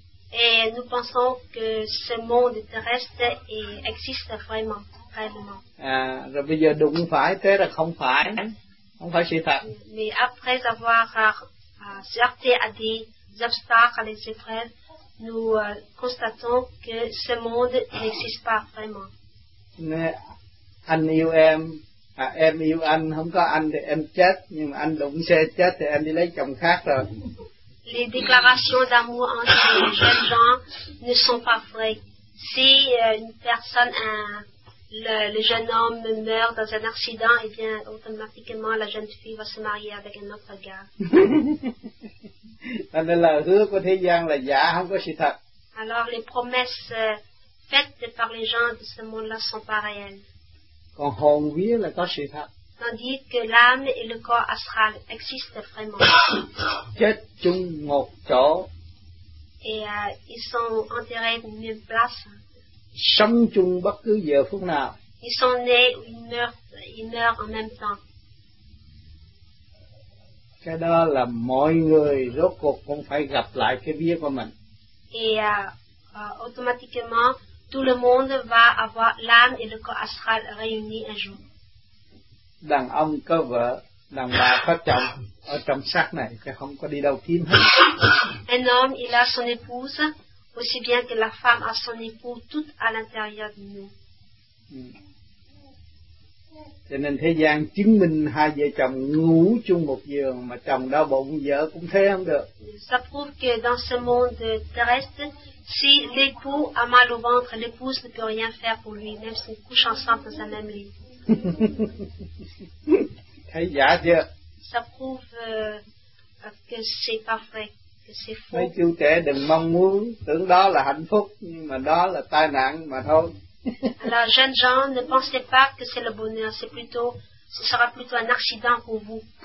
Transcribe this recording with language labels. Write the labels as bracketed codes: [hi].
[fr] Et nous pensons que ce monde terrestre existe vraiment, réellement. [vi] Rồi bây giờ đụng phải, thế là không phải sự thật. [fr] Mais après avoir heurté à des obstacles, à des épreuves, nous constatons que ce monde n'existe pas vraiment. [vi] Mais anh yêu em, em yêu anh, không có anh thì em chết, nhưng mà anh đụng xe chết thì em đi lấy chồng khác rồi. [fr] Les déclarations d'amour entre les jeunes gens ne sont pas vraies. Si une personne, le jeune homme meurt dans un accident, et bien automatiquement la jeune fille va se marier avec un autre gars. [vi] Nên là hứa của thế gian là giả, không có sự thật. [fr] Alors les promesses faites par les gens de ce monde-là sont pas réelles. [vi] Còn hồn vía là có sự thật. [fr] Tandis que l'âme et le corps astral existent vraiment. [vi] Chết chung một chỗ. [fr] Et ils sont enterrés dans une place. [vi] Sống chung bất cứ giờ phút nào. [fr] Ils sont nés ou ils meurent en même temps. [vi] Cái đó là mọi người rốt cuộc cũng phải gặp lại cái vía của mình. [fr] Et automatiquement, tout le monde va avoir l'âme et le corps astral réunis un jour. [vi] Đàn ông có vợ, đàn bà có chồng ở trong xác này chứ không có đi đâu kiếm hết. [fr] Un homme il a son épouse aussi bien que la femme a son époux tout à l'intérieur de nous. [vi] Cho nên thế gian chứng minh hai vợ chồng ngủ chung một giường mà chồng đau bụng vợ cũng thế không được. [fr] Ça prouve que dans ce monde terrestre, si l'époux a mal au ventre, l'épouse ne peut rien faire pour lui, même s'ils couchent ensemble dans un même lit. [vi] Thấy giả chưa? [fr] Ça prouve que c'est pas vrai. [vi] Mấy chú trẻ đừng mong muốn tưởng đó là hạnh phúc, nhưng mà đó là tai nạn mà thôi. [fr] Alors, jeunes gens, ne pensez pas que c'est le bonheur, c'est plutôt, ce sera plutôt un accident pour vous.